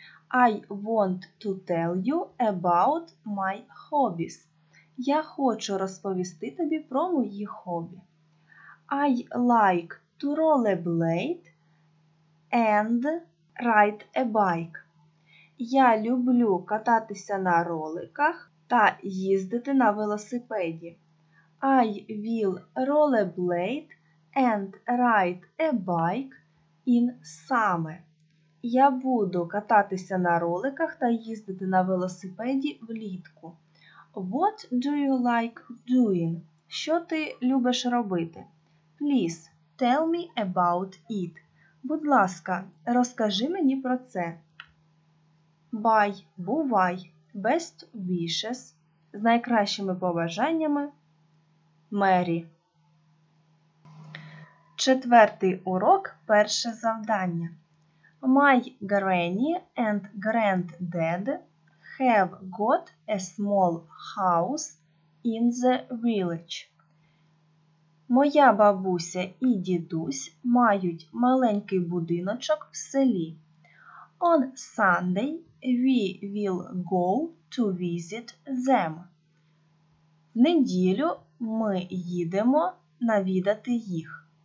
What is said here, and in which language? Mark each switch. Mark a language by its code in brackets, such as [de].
[en] I want to tell you about my hobbies. [uk] Я хочу розповісти тобі про мої хобі. [en] I like to rollerblade and ride a bike. [uk] Я люблю кататися на роликах та їздити на велосипеді. [en] I will rollerblade and ride a bike in summer. [uk] Я буду кататися на роликах та їздити на велосипеді влітку. [en] What do you like doing? [uk] Що ти любиш робити? [en] Please tell me about it. [uk] Будь ласка, розкажи мені про це. [en] Bye, [uk] бувай, [en] best wishes. [uk] З найкращими побажаннями, Мері. Четвертий урок, перше завдання. [en] My granny and granddad have got a small house in the village. [uk] Моя бабуся і дідусь мають маленький будиночок в селі. [en] On Sunday we will go to visit them. [uk] В неділю ми їдемо навідати їх.